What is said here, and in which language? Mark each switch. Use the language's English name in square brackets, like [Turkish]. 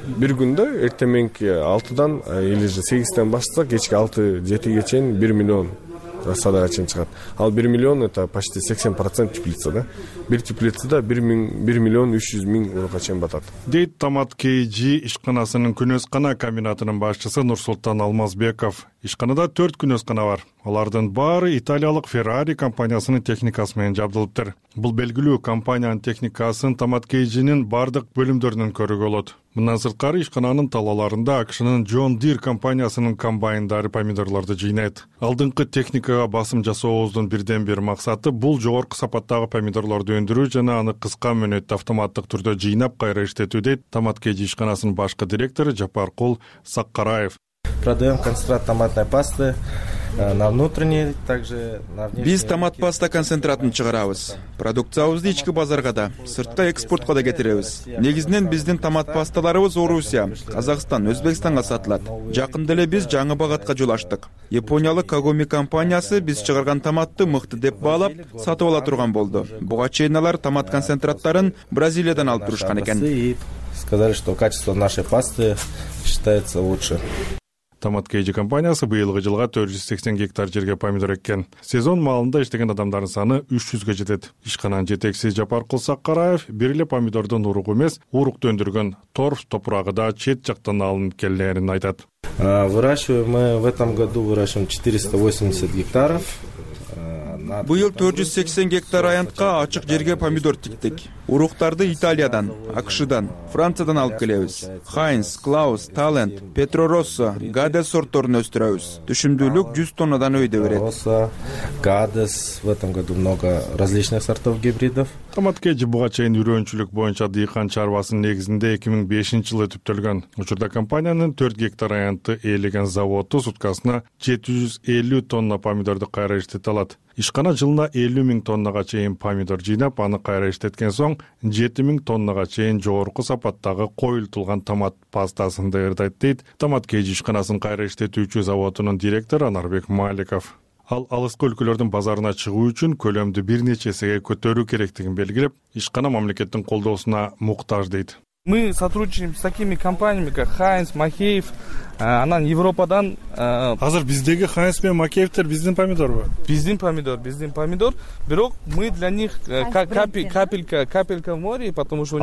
[Kyrgyz] Бир күндө эртең менки 6-дан или же 8-ден башта кечки 6-7ге чейин 1 миллион рассадага чейин чыгат. Ал 1 миллион [Russian] это почти [Kyrgyz] 80% теплица да. Бир теплицада 1 миллион 300 миң урукка чейин батат. Дейт Томат КЖ ишканасынын Күнөскана комбинатынын башчысы Нурсултан Алмазбеков. Ишканада 4 күнөскана бар. Алардын баары италиялык Феррари компаниясынын техникасы менен жабдылыптыр. Бул белгилүү компаниянын техникасын Томат КЖ'нин бардык бөлүмдөрүнөн көрүүгө болот. Мындан сырткары ишкананын талааларында АКШ'нын Джон Дир компаниясынын комбайндары помидорлорду жыйнайт. Алдыңкы техникага басым жасообуздун бирден бир максаты бул жогорку сапаттагы помидорлорду өндүрүү жана аны кыска мөөнөттө автоматтык түрдө жыйнап кайра иштетүү дейт Томат КЖ ишканасынын башкы директору Жапаркул Саккараев. [Russian] Продаем концентрат томатной пасты на внутренний, также на внешний. [Kyrgyz] Биз томат паста концентратын чыгарабыз. Продукциябызды ички базарга да, сыртка экспортко да кетиребиз. Негизинен биздин томат пасталарыбыз Орусия, Казакстан, Өзбекстанга сатылат. Жакында эле биз жаңы багытка жол ачтык. Япониялык Kagome компаниясы биз чыгарган томатты мыкты деп баалап сатып ала турган болду. Буга чейин алар томат концентраттарын Бразилиядан алып турушкан экен. [Russian] Сказали, что качество нашей пасты считается лучше. [Kyrgyz] Томат КЖ компаниясы быйылгы жылга 480 гектар жерге помидор эккен. Сезон маалында иштеген адамдардын саны 300 жетет. Ишкананын жетекчиси Жапаркул Саккараев бир эле помидордун уругу эмес, урукту өндүргөн торф топурагы да чет жактан алынып келгенин айтат. [Russian] Выращиваем мы в этом году выращиваем 480 гектаров. [Kyrgyz] Быйыл 480 гектар аянтка ачык жерге помидор тиктик. Уруктарды Италиядан, АКШ'дан, Франциядан алып келебиз. Хайнс, Клаус, Талент, Петро Россо, Гадес сортторун өстүрөбүз. Түшүмдүүлүк 100 тоннадан өйдө берет. [Russian] Росса, Гадес, в этом году много различных сортов гибридов. [Kyrgyz] Томат КЖ буга чейин үрөөнчүлүк боюнча дыйкан чарбасынын негизинде 2005 жылы түптөлгөн. Учурда компаниянын 4 гектар аянтты ээлеген заводу суткасына 750 тонна помидорду кайра иштете алат. Ишкана жылына 50,000 тоннага чейин помидор жыйнап, аны кайра иштеткен соң 7,000 тоннага чейин жогорку сапаттагы коюлтулган томат пастасын даярдайт, дейт Томат КЖ ишканасын кайра иштетүүчү заводунун директору Анарбек Маликов. Ал алыскы өлкөлөрдүн базарына чыгуу үчүн көлөмдү бир нече эсеге көтөрүү керектигин белгилеп, ишкана мамлекеттин колдоосуна муктаж, дейт. [Russian] Мы сотрудничаем с такими компаниями, как Хайнс, Махеев, [Kyrgyz] анан Европадан... Азыр биздеги Хайнс менен Макеевтер биздин помидорбу? Биздин помидор. [Russian] Бирок мы для них капелька в море, потому что...